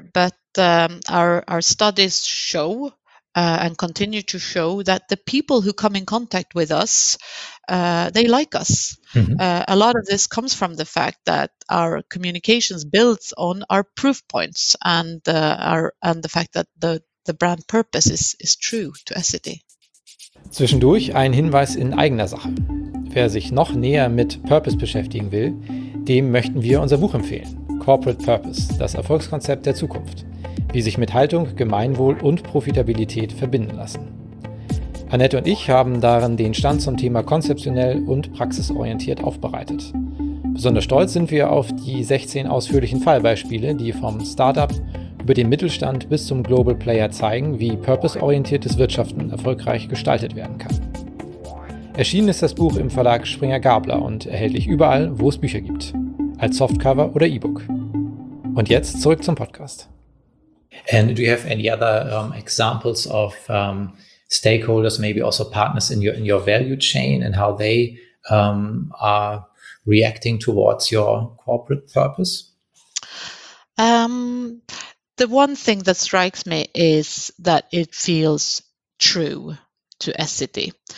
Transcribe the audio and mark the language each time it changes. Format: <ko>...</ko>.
<en>But our studies show and continue to show that the people who come in contact with us, they like us. Mm-hmm. A lot of this comes from the fact that our communications builds on our proof points and the fact that the brand purpose is true to Essity.</en> <de>Zwischendurch ein Hinweis in eigener Sache. Wer sich noch näher mit Purpose beschäftigen will, dem möchten wir unser Buch empfehlen. Corporate Purpose, das Erfolgskonzept der Zukunft. Wie sich mit Haltung, Gemeinwohl und Profitabilität verbinden lassen. Annette und ich haben darin den Stand zum Thema konzeptionell und praxisorientiert aufbereitet. Besonders stolz sind wir auf die 16 ausführlichen Fallbeispiele, die vom Startup über den Mittelstand bis zum Global Player zeigen, wie purpose-orientiertes Wirtschaften erfolgreich gestaltet werden kann. Erschienen ist das Buch im Verlag Springer Gabler und erhältlich überall, wo es Bücher gibt, als Softcover oder E-Book. Und jetzt zurück zum Podcast.</de> <en>And do you have any other examples of stakeholders, maybe also partners in your value chain, and how they are reacting towards your corporate purpose? The one thing that strikes me is that it feels true to Essity.</en>